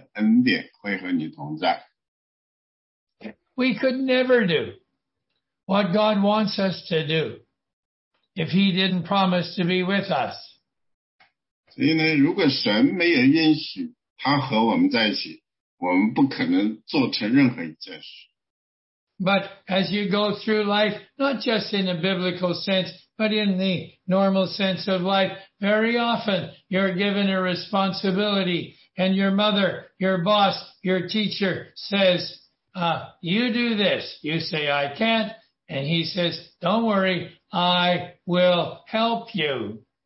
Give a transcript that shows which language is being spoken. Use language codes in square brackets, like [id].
[zh] 神给我们的答案呢是极其的简单的，你会完成你的职责的，因为神的恩典会和你同在。 [en] We could never do what God wants us to do if he didn't promise to be with us. [zh] 所以呢，如果神没有允许他和我们在一起，我们不可能做成任何一件事。 [en] But as you go through life, not just in a biblical sense, but in the normal sense of life, very often you're given a responsibility, and your mother, your boss, your teacher says, you do this. You say, I can't. And he says, don't worry, I will help you.